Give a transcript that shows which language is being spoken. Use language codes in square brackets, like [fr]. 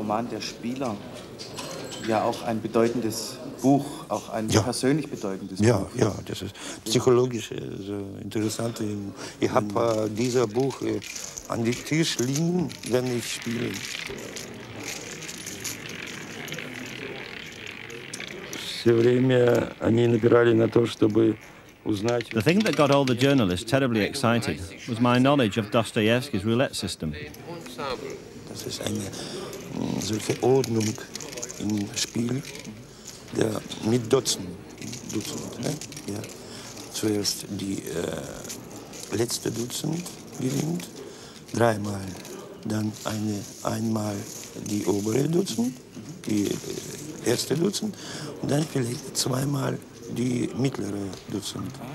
[de] Der Spieler ja auch ein bedeutendes Buch, auch ein persönlich bedeutendes Buch. Ja, ja, das ist psychologisch so interessant. Ich habe dieses Buch an den Tisch liegen, wenn ich spiele. [en] The thing that got all the journalists terribly excited was my knowledge of Dostoevsky's roulette system. [de] Das ist eine solche Ordnung im Spiel, der mit Dutzend, ne? Ja. Zuerst die letzte Dutzend gewinnt, dreimal, dann einmal die obere Dutzend, die erste Dutzend, und dann vielleicht zweimal die mittlere Dutzend.